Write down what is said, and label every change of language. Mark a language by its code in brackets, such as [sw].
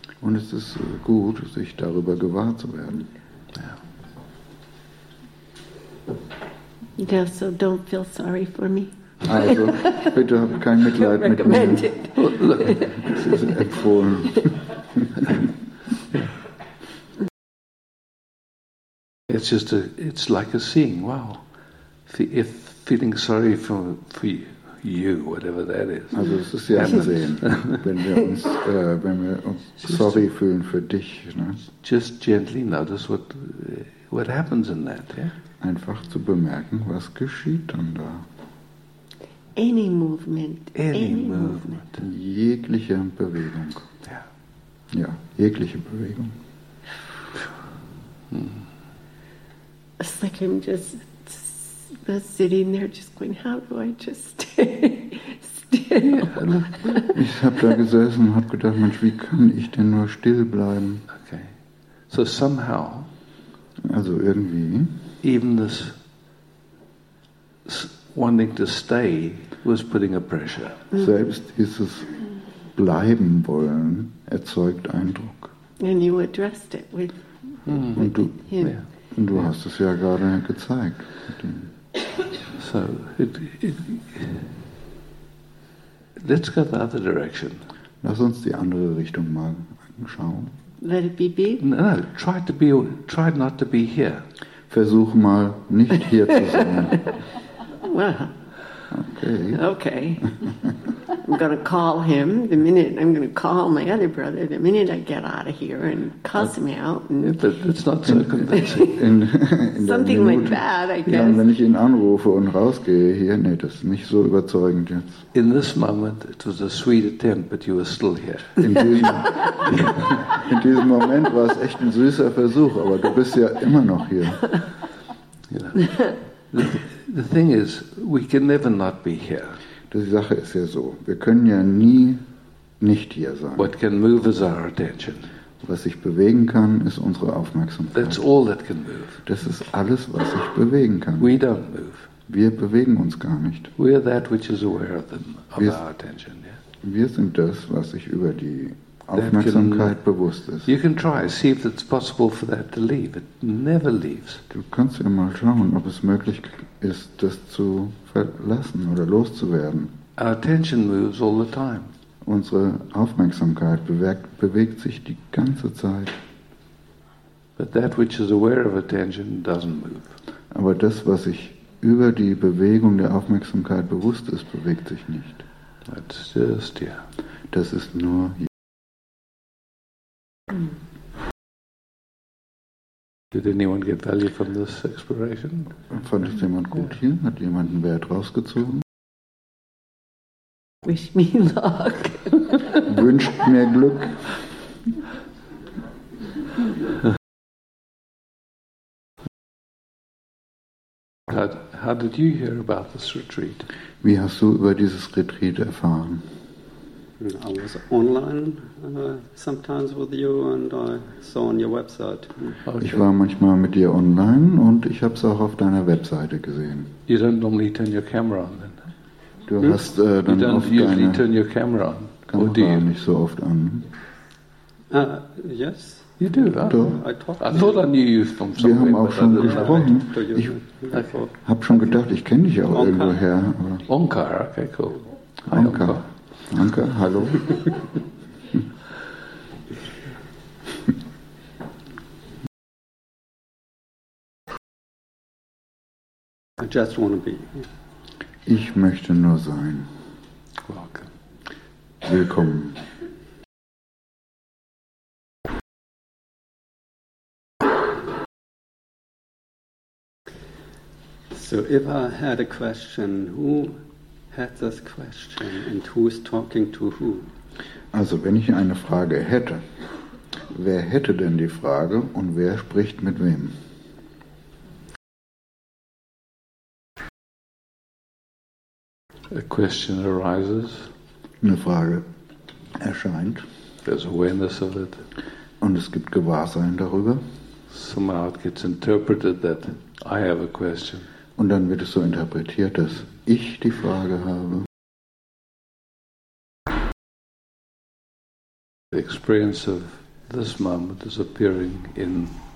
[de] Und es ist gut, sich darüber gewahr zu werden. [en] Yeah. Yeah, so don't feel sorry for me. [de] Also, bitte habe kein Mitleid mit mir. Es ist empfohlen. [en] It's just a, it's like a seeing, wow. If feeling sorry for you. You, whatever that is. [de] Also es ist ja ein Sehen, wenn wir uns sorry fühlen für dich. Ne? [en] Just gently notice what happens in that. Yeah? [de] Einfach zu bemerken, was geschieht dann da. [en] Any movement. Any movement. [de] Jegliche Bewegung. [en] Yeah. [de] Ja, jegliche Bewegung. [en] It's like I'm just... sitting there just going, how do I just stay still? [de] Ich habe da gesessen und habe gedacht, Mensch, wie kann ich denn nur still bleiben? [en] Okay. So somehow, [de] also irgendwie, [en] even this wanting to stay was putting a pressure. [de] Selbst dieses Bleiben wollen erzeugt Eindruck. [en] And you addressed it with him. [de] Und du, yeah. Und du hast es ja gerade gezeigt. [en] So, let's go the other direction. [de] Lass uns die andere Richtung mal anschauen. [en] Let it be. No, try not to be here. [de] Versuch mal nicht hier zu sein. [en] Well, okay. I'm gonna call him the minute. I'm gonna call my other brother the minute I get out of here and cuss him out. And yeah, but it's not so convincing. Something like that, I guess. [de] Ja, wenn ich ihn anrufe und rausgehe hier, nee, das ist nicht so überzeugend jetzt. [en] In this moment, it was a sweet attempt, but you were still here. [de] In diesem Moment war es echt ein süßer Versuch, aber du bist ja immer noch hier. [en] The thing is, we can never not be here. [de] Die Sache ist ja so, wir können ja nie nicht hier sein. [en] What can move is our attention. [de] Was sich bewegen kann, ist unsere Aufmerksamkeit. [en] That's all that can move. [de] Das ist alles, was sich bewegen kann. [en] We don't move. [de] Wir bewegen uns gar nicht. [en] We are that which is aware of our attention, yeah? [de] Wir sind das, was sich über die Aufmerksamkeit bewusst ist. [en] You can try, see if it's possible for that to leave. It never leaves. [de] Du kannst ja mal schauen, ob es möglich ist, das zu verlassen oder loszuwerden. [en] Our attention moves all the time. [de] Unsere Aufmerksamkeit bewegt sich die ganze Zeit. [en] But that which is aware of attention doesn't move. [de] Aber das, was sich über die Bewegung der Aufmerksamkeit bewusst ist, bewegt sich nicht. [en] That's just, yeah. [de] Das ist nur hier. [en] Did anyone get value from this exploration? [de] Fand es jemand gut hier? Hat jemand einen Wert rausgezogen? [en] Wish me luck. [de] Wünscht mir Glück. [en] How did you hear about this retreat? [de] Wie hast du über dieses Retreat erfahren? [en] I was online sometimes with you and I saw on your website. Okay. [de] Ich war manchmal mit dir online und ich habe es auch auf deiner Webseite gesehen. [en] You don't normally turn your camera on then. [de] Du hast dann [en] you don't usually turn your camera on. [de] Kamera nicht so oft an. [en] Yes. You do, huh? Do. I thought I knew you from somewhere. [de] Wir haben auch schon gesprochen. Ich habe schon gedacht, ich kenne dich auch irgendwoher. [en] Onkar, okay, cool. Hi, Onkar. Onkar, hallo. I just want to be. [de] Ich möchte nur sein. [en] Welcome. [de] Willkommen. [en] So if I had a question, who had this question and who's talking to who? [de] Also wenn ich eine Frage hätte, wer hätte denn die Frage und wer spricht mit wem? [en] A question arises. [de] Eine Frage erscheint. [en] There's awareness of it. [de] Und es gibt Gewahrsein darüber. [en] Somehow it gets interpreted that I have a question. [de] Und dann wird es so interpretiert, dass ich die Frage habe. [en] The experience of this moment is appearing in.